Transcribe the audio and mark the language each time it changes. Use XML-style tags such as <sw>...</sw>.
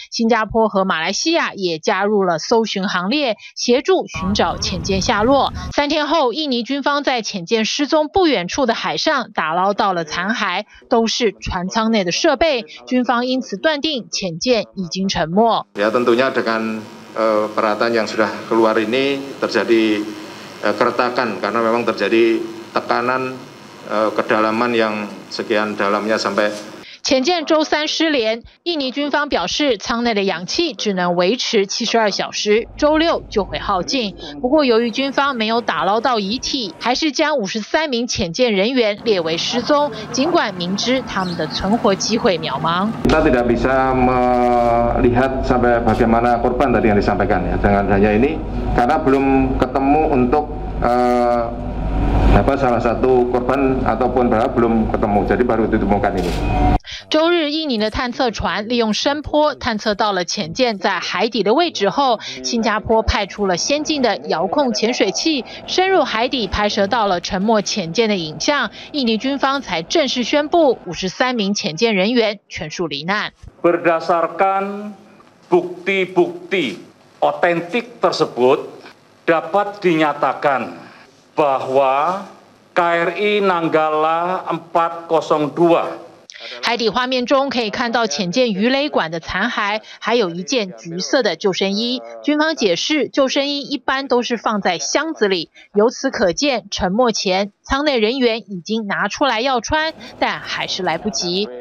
<zh>新加坡和马来西亚也加入了搜寻行列，协助寻找潜舰下落。 3天后，印尼军方在潜舰失踪不远处的海上打捞到了残骸，都是船舱内的设备。军方因此断定潜舰已经沉没。</zh> <id>Ya tentunya dengan peralatan yang sudah keluar ini terjadi keretakan karena memang terjadi tekanan kedalaman yang sekian dalamnya sampai。</id> <zh>潜舰周三失联，印尼军方表示舱内的氧气只能维持72小时，周六就会耗尽。不过由于军方没有打捞到遗体，还是将53名潜舰人员列为失踪，尽管明知他们的存活机会渺茫。</zh> <id>Kita tidak bisa melihat sampai bagaimana korban tadi yang disampaikan ya dengan hanya ini karena belum ketemu untuk salah satu korban ataupun berapa belum ketemu jadi baru ditemukan ini。</id> <zh>周日，印尼的探测船利用声波探测到了潜舰在海底的位置后，新加坡派出了先进的遥控潜水器深入海底拍摄到了沉没潜舰的影像，印尼军方才正式宣布53名潜舰人员全数罹难。</zh> <id>Berdasarkan bukti-bukti otentik tersebut dapat dinyatakan bahwa KRI Nanggala 402。</id> <zh>海底画面中可以看到潜舰鱼雷管的残骸，还有一件橘色的救生衣。军方解释，救生衣一般都是放在箱子里，由此可见沉没前舱内人员已经拿出来要穿，但还是来不及。</zh>